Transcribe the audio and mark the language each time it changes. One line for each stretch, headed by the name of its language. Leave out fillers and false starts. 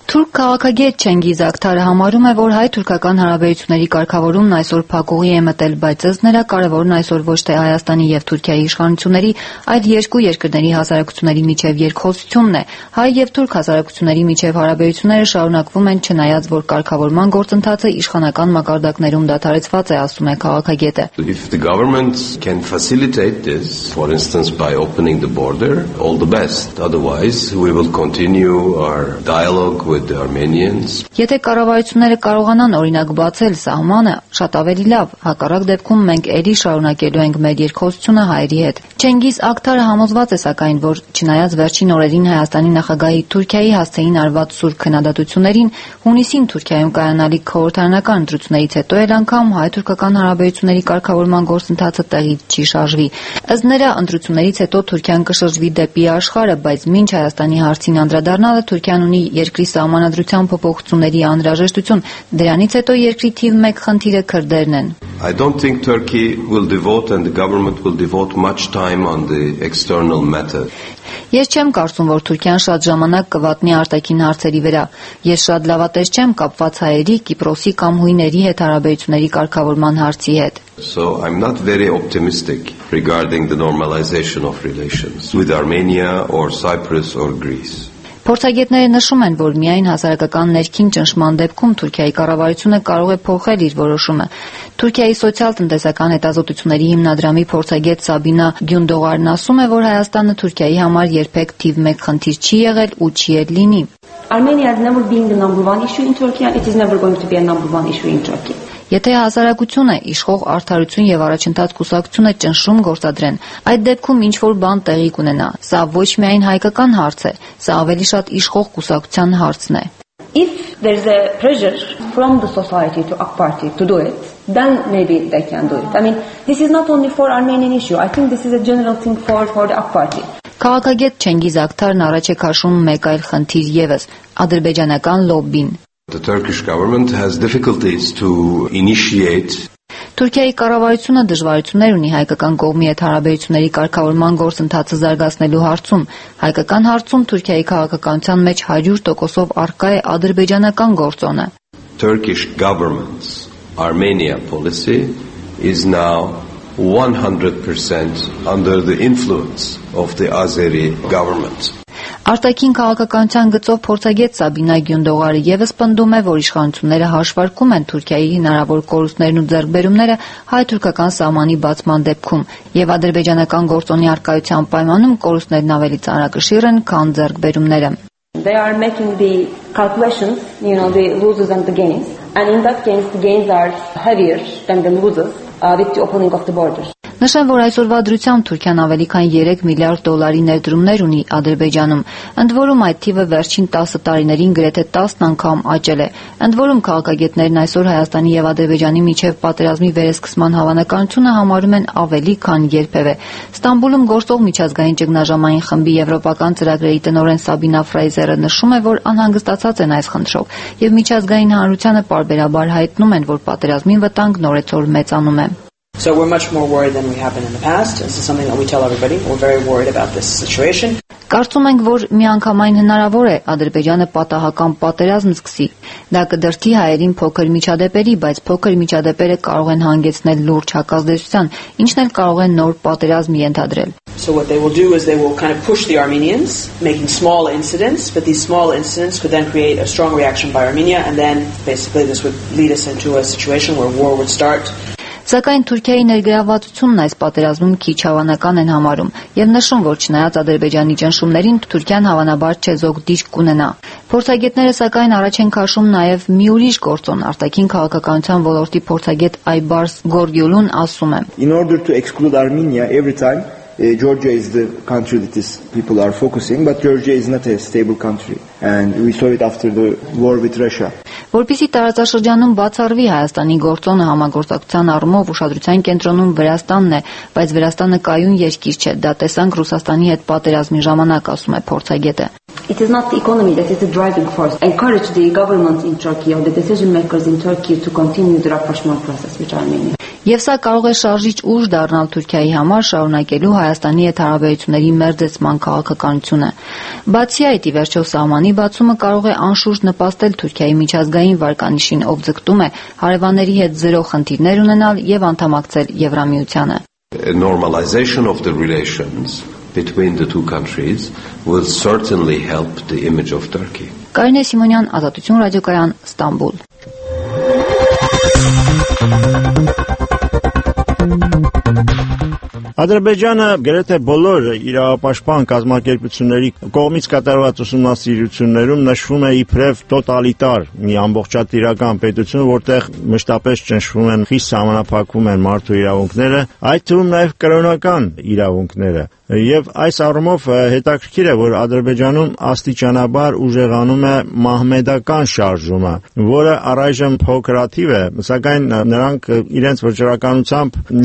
Armenian: Թուրք քաղաքագետ Չենգիզ Ակթարը համարում է, որ հայ-թուրքական հարաբերությունների կարգավորումն այսօր փակուղի է մտել, բայց ըստ նրա կարևորն այսօր ոչ թե Հայաստանի և Թուրքիայի իշխանությունների, այլ երկու երկրների հասարակությունների միջև երկխոսությունն է։ Հայ և թուրք հասարակությունների միջև հարաբերությունները շարունակվում են, չնայած որ կարգավորման գործընթացը իշխանական մակարդակներում դադարեցված է, ասում է քաղաքագետը։
English: If the government can facilitate this, for instance by opening the border, all the best. Otherwise, we will continue our dialogue with the Armenians.
Armenian: Եթե կառավարությունները կարողանան օրինակ բացել սահմանը, շատ ավելի լավ, հակառակ դեպքում մենք էլի շարունակելու ենք մեր երկխոսությունը հայերի հետ։ Չենգիզ Ակթարը համոզված է, սակայն, որ չնայած վերջին օրերին Հայաստանի նախագահի Թուրքիայի հասցեին արված սուրբ քննադատություններին, հունիսին Թուրքիայում կայանալիք քաղաքարանական ընտրություններից հետո էլ անգամ հայ-թուրքական հարաբերությունների կարգավորման գործընթացը տեղի չի շարժվի։ Ըստ նրա, ընտրություններից հետո Թուրքիան կշրջվի դեպի աշխարհը, բայց մինչ Հայաստանի հարցին անդրադառնալը Թուրքիան ունի երկրի սահմանադրության փոփոխությունների անհրաժեշտություն, դրանից հետո երկրի թիվ 1 խնդիրը քրդերն են։
English: I don't think Turkey will devote and the government will devote much time on the external matter.
Armenian: Ես չեմ կարծում, որ Թուրքիան շատ ժամանակ կվատնի արտաքին հարցերի վրա։ Ես շատ լավատես չեմ կապված հայերի, Կիպրոսի կամ հույների հետ հարաբերությունների կարգավորման հարցի հետ։
English: So I'm not very optimistic regarding the normalization of relations with Armenia or Cyprus or Greece.
Armenian: Փորձագետները նշում են, որ միայն հասարակական ներքին ճնշման դեպքում Թուրքիայի կառավարությունը կարող է փոխել իր որոշումը։ Թուրքիայի սոցիալ-տնտեսական հետազոտությունների հիմնադրամի փորձագետ Սաբինա Գյունդողարն ասում է, որ Հայաստանը Թուրքիայի համար երբեք թիվ 1 խնդիր չի եղել ու չի էլ լինի։
English: Armenia has never been the number one issue in Turkey and it is never going to be a number one issue in Turkey.
Armenian: Եթե հասարակությունը իշխող արդարություն եւ առաջընթաց կուսակցությունը ճնշում գործադրեն, այդ դեպքում ինչ որ բան տեղի կունենա։ Սա ոչ միայն հայկական հարց է, սա ավելի շատ իշխող կուսակցության հարցն է։
English: If there's a pressure from the society to AK Party to do it, then maybe they can do it. I mean, this is not only for Armenian issue. I think this is a general thing for the AK Party.
Armenian: Քաղաքագետ Չենգիզ Ակթարն առաջ է քաշում մեկ այլ խնդիր եւս՝ ադրբեջանական լոբբին։
English: The Turkish government has difficulties to initiate.
Armenian: Թուրքիայի կառավարությունը դժվարություններ ունի հայկական կողմի հետ հարաբերությունների կարգավորման գործընթացը զարգացնելու հարցում։ Հայկական հարցում Թուրքիայի քաղաքականության մեջ 100%-ով առկա է ադրբեջանական գործոնը։
English: Turkish government's Armenia policy is now 100% under the influence of the Azeri government.
Armenian: Արտաքին քաղաքականության գծով փորձագետ Սաբինա Գյունդողարը եւս պնդում է, որ իշխանությունները հաշվարկում են Թուրքիայի հնարավոր կորուստներն ու ձեռքբերումները հայ-թուրքական սահմանի բացման դեպքում, եւ ադրբեջանական գործոնի արկայության պայմանում կորուստներն ավելի ծանրակշիռ են, քան ձեռքբերումները։
English: They are making the calculations, you know, the losses and the gains. And in that case, the gains are heavier than the losses with the opening of the borders.
Armenian: Նշեմ, որ այսօրվա դրությամբ Թուրքիան ավելի քան 3 միլիարդ դոլարի ներդրումներ ունի Ադրբեջանում։ Ընդ որում այդ թիվը վերջին 10 տարիներին գրեթե 10 անգամ աճել է։ Ընդ որում քաղաքագետներն այսօր Հայաստանի եւ Ադրբեջանի միջև պատերազմի վերսկսման հավանականությունը համարում են ավելի քան երբևէ։ Ստամբուլում գործող միջազգային ճգնաժամային խմբի եվրոպական ծրագրերի տնօրեն Սաբինա Ֆրայզերը նշում է, որ անհանգստացած են այս խնդրով, եւ միջազգային հանրությանը պարբերաբար հայտնում են, որ պատերազմի վտանգ նորեցոր մեծանում է։
English: So we're much more worried than we have been in the past. This is something that we tell everybody. We're very worried about this situation.
Armenian: Կարծում ենք, որ միանգամայն հնարավոր է Ադրբեջանը պատահական պատերազմ սկսի։ Դա կդրթի հայերին փոքր միջադեպերի, բայց փոքր միջադեպերը կարող են հանգեցնել լուրջ հակազդեցության, ինչն էլ կարող են նոր պատերազմ ենթադրել։
English: So what they will do is they will kind of push the Armenians, making small incidents, but these small incidents could then create a strong reaction by Armenia and then basically this would lead us into a situation where war would start.
Armenian: Սակայն Թուրքիայի ներգրավվածությունն այս պատերազմում քիչ հավանական են համարում եւ նշում, որ չնայած Ադրբեջանի ճնշումներին Թուրքիան հավանաբար չէ զոհ դիրք կունենա։ Փորձագետները սակայն առաջ են քաշում նաեւ մի ուրիշ գործոն, արտաքին քաղաքականության ոլորտի փորձագետ Այբարս Գորգյուլուն ասում է.
English: In order to exclude Armenia every time Georgia is the country that is people are focusing, but Georgia is not a stable country, and we saw it after the war with Russia.
Armenian: Որպեսի տարածաշրջանում բացառվի Հայաստանի գործոնը համագործակցության առումով ուշադրության կենտրոնում Վրաստանն է, բայց Վրաստանը կայուն երկիր չէ, դա տեսանք Ռուսաստանի հետ պատերազմի ժամանակ, ասում է փորձագետը.
English: It is not the economy that is the driving force. Encourage the government in Turkey or the decision makers in Turkey to continue the rapprochement process with Armenia.
Armenian: Եվ սա կարող է շարժիչ ուժ դառնալ Թուրքիայի համար շարունակելու Հայաստանի հետ հարաբերությունների մերձեցման քաղաքականությունը։ Բացի այդ, ի վերջո սահմանի բացումը կարող է անշուշտ նպաստել Թուրքիայի միջազգային վարկանիշին, ով ձգտում է հարևանների հետ զրո խնդիրներ ունենալ եւ անդամակցել Եվրամիությանը։
English: Normalization of the relations between the two countries will certainly help the image of Turkey.
Armenian: Կարինե Սիմոնյան, Ազատություն ռադիոկայան, Ստամբուլ։ Ադրբեջանը գրեթե բոլոր իրավապաշտպան կազմակերպությունների կողմից կատարված ուսումնասիրություններում նշվում է իբրև տոտալիտար մի ամբողջատիրական պետություն, որտեղ մշտապես ճնշվում են խիստ սահմանափակվում են մարդու իրավունքները, այդ թվում նաև կրոնական իրավունքները։ Եվ այս առումով հետաքրքիր է, որ Ադրբեջանում աստիճանաբար ուժեղանում է մահմեդական շարժումը, որը առայժմ փոքրաթիվ է, սակայն նրանք իրենց վճռականությամբ